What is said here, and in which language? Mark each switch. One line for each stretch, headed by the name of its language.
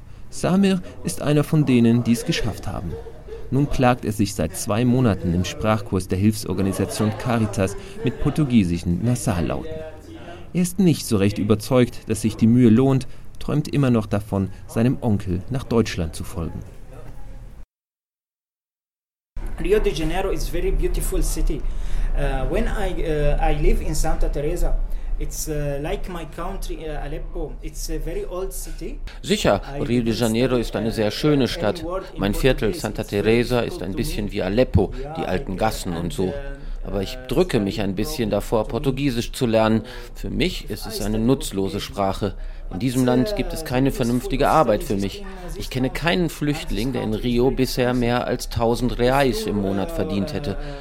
German: Samir ist einer von denen, die es geschafft haben. Nun plagt er sich seit 2 Monaten im Sprachkurs der Hilfsorganisation Caritas mit portugiesischen Nasallauten. Er ist nicht so recht überzeugt, dass sich die Mühe lohnt, träumt immer noch davon, seinem Onkel nach Deutschland zu folgen.
English: Rio de Janeiro is very beautiful city. When I live in Santa Teresa, It's like my country, Aleppo. It's a very old city.
German: Sicher, Rio de Janeiro ist eine sehr schöne Stadt. Mein Viertel Santa Teresa ist ein bisschen wie Aleppo, die alten Gassen und so. Aber ich drücke mich ein bisschen davor, Portugiesisch zu lernen. Für mich ist es eine nutzlose Sprache. In diesem Land gibt es keine vernünftige Arbeit für mich. Ich kenne keinen Flüchtling, der in Rio bisher mehr als 1000 Reais im Monat verdient hätte.